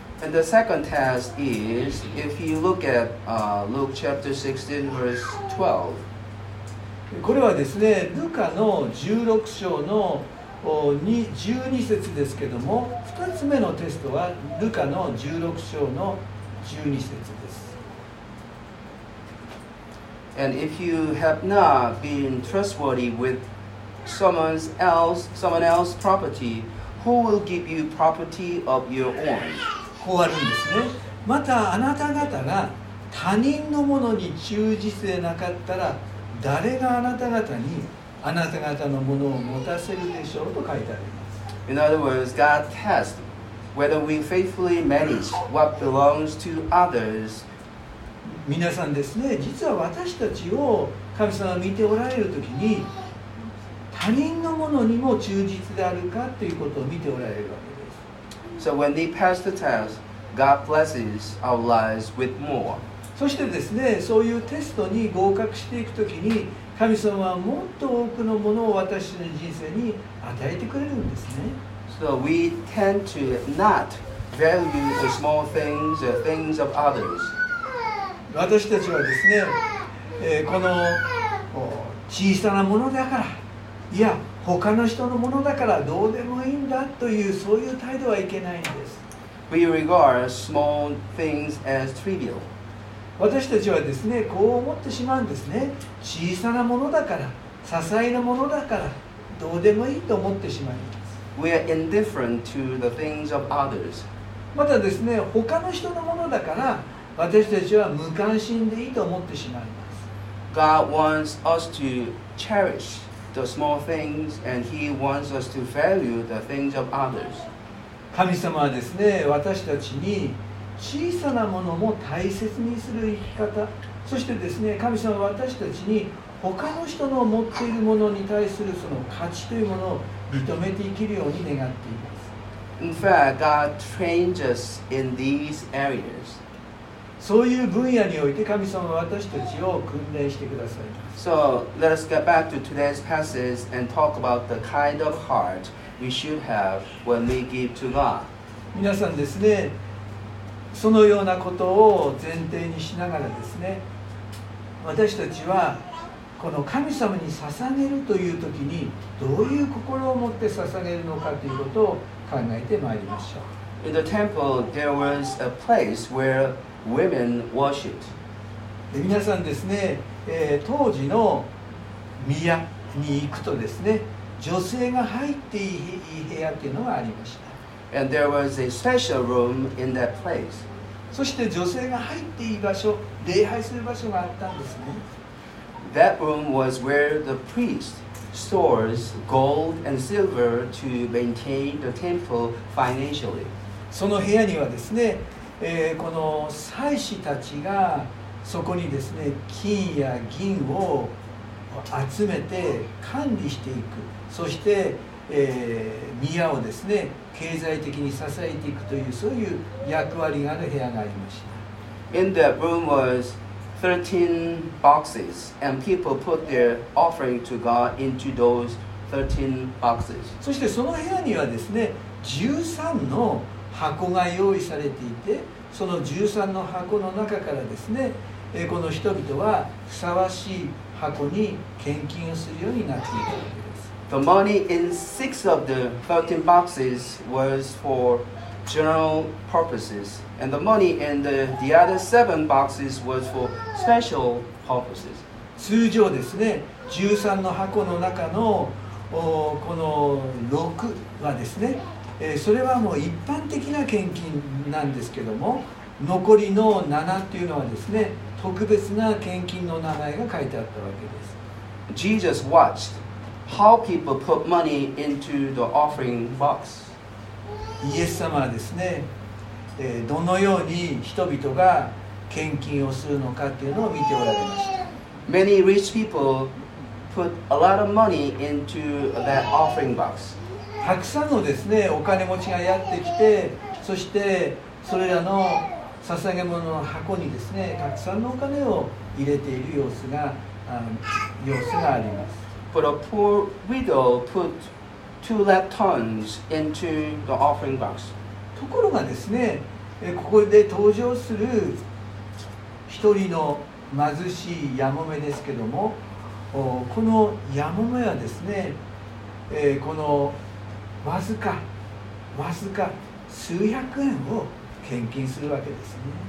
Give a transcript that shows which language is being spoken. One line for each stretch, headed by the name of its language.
English: And the second test is, if you look at Luke chapter 16, verse 12.
Japanese: これはですね、ルカの16章の12節ですけども、2つ目のテストはルカの16章の12節です。
English: And if you have not been trustworthy with someone else's property, who will give you property of your own?
Japanese: こうあるんですね。またあなた方が他人のものに忠実でなかったら、誰があなた方にあなた方のものを持たせるでしょうと書いてあります。
English: In other words, God tests whether we faithfully manage what belongs to others.
Japanese: 皆さんですね、実は私たちを神様が見ておられるときに、他人のものにも忠実であるかということを見ておられるわけです。
English: So when they pass the test, God blesses our lives with more.
Japanese: そしてですね、そういうテストに合格していくときに、神様はもっと多くのものを私の人生に与えてくれるんですね。
English: So we tend to not value the small things or things of others.
Japanese: 私たちはですね、この小さなものだから、いや、他の人のものだからどうでもいいんだという、そういう態度はいけないんです。
English: We regard small things as trivial.
Japanese: 私たちはですね、こう思ってしまうんですね。小さなものだから、些細なものだから、どうでもいいと思ってしまいます。
English: We are indifferent to the things of others.
Japanese: またですね、他の人のものだから、私たちは無関心でいいと思ってしまいます。
English: God wants us to cherish the small things, and He wants us to value the things of others.
Japanese: 神様はですね、私たちに、小さなものも大切にする生き方、そしてですね、神様は私たちに他の人の持っているものに対するその価値というものを認めて生きるように願っています。
English: In fact, God trains us in these areas.
Japanese: そういう分野において神様は私たちを訓練してくださいます
English: So, let us get back to today's passage and talk about the kind of heart we should have when we give to God.
Japanese: 皆さんですね、そのようなことを前提にしながらですね、私たちはこの神様に捧げるというときにどういう心を持って捧げるのかということを考えてまいりましょう。
English: In the temple, there was a place where women worshipped.
Japanese: で、皆さんですね、当時の宮に行くとですね、女性が入っていい部屋っていうのがありました。
English: And there was a special room in that place.
Japanese: そして女性が入っていい場所、礼拝する場所があったんですね。
English: That room was where the priest stores gold and silver to maintain the temple financially.
Japanese: その部屋にはですね、この祭司たちがそこにですね、金や銀を集めて管理していく。そして宮をですね、経済的に支えていくというそういう役割がある部屋がありました。
English: In the room was 13 boxes, and people put their offering to God into those 13 boxes.
Japanese: そしてその部屋にはですね、13の箱が用意されていて、その13の箱の中からですね、この人々はふさわしい箱に献金をするようになっていた。
English: The money in six of the 13 boxes was for general purposes, and the money in the other seven boxes was for special purposes.
Japanese: 通常ですね、13の箱の中のこの6はですね、それはもう一般的な献金なんですけども、残りの7っていうのはですね、特別な献金の名前が書いてあったわけです。
English: Jesus watched. How people put money into the offering box.
Japanese: イエス様はですね、どのように人々が献金をするのかというのを見ておられました。
English: Many rich people put a lot of money into that offering box.
Japanese: たくさんのですね、お金持ちがやってきて、そしてそれらの捧げ物の箱にですね、たくさんのお金を入れている様子があります。
English: But a poor widow put 2 lap tons into the offering box.
Japanese: ところがですね、ここで登場する一人の貧しいヤモメですけども、このヤモメはですね、このわずかわずか数百円を献金するわけですね。